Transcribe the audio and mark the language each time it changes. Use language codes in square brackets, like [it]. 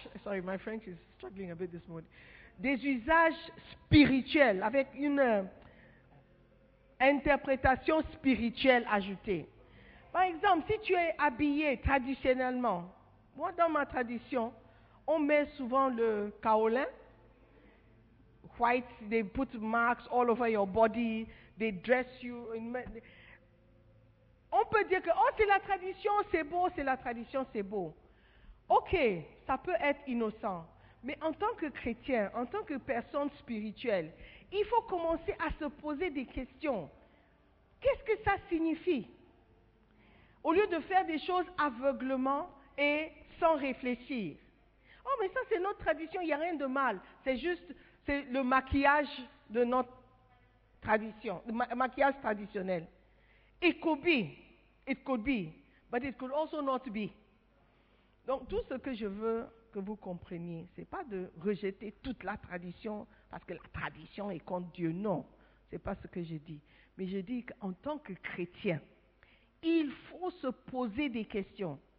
[en] Sorry, my French is struggling a bit this morning. [fr] Des usages spirituels avec une interprétation spirituelle ajoutée. Par exemple, si tu es habillé traditionnellement, moi dans ma tradition, on met souvent le kaolin, [en] white, they put marks all over your body, they dress you. [fr] On peut dire que, c'est la tradition, c'est beau. Ok, ça peut être innocent, mais en tant que chrétien, en tant que personne spirituelle, il faut commencer à se poser des questions. Qu'est-ce que ça signifie? Au lieu de faire des choses aveuglément et sans réfléchir. Oh, mais ça, c'est notre tradition, il n'y a rien de mal. C'est juste c'est le maquillage de notre tradition, le maquillage traditionnel. Ecobee, [en] It could be, but it could also not be. [fr] Donc tout ce que je veux que vous compreniez, ce n'est pas de rejeter toute la tradition parce que la tradition est contre Dieu. Non, ce n'est pas ce que je dis. Mais je dis qu'en tant que chrétien, il faut se poser des questions.